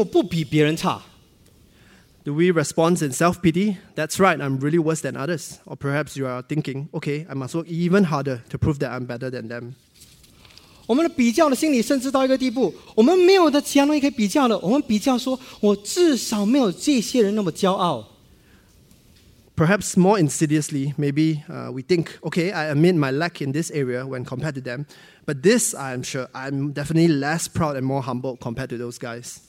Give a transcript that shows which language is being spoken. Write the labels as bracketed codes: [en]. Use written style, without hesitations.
[zh] 因为你们反应可能是自怨自艾，那就是说，哎呀，我真的很糟，因为我比别人差。要不然可能你的反应就是我要努力，要证明我不比别人差。 [en] Do we respond in self-pity? That's right, I'm really worse than others. Or perhaps you are thinking, okay, I must work even harder to prove that I'm better than them. [zh] 我们的比较的心理甚至到一个地步，我们没有的其他东西可以比较了，我们比较说，我至少没有这些人那么骄傲。 [en] Perhaps more insidiously, maybe we think, okay, I admit my lack in this area when compared to them, but this, I am sure, I'm definitely less proud and more humble compared to those guys.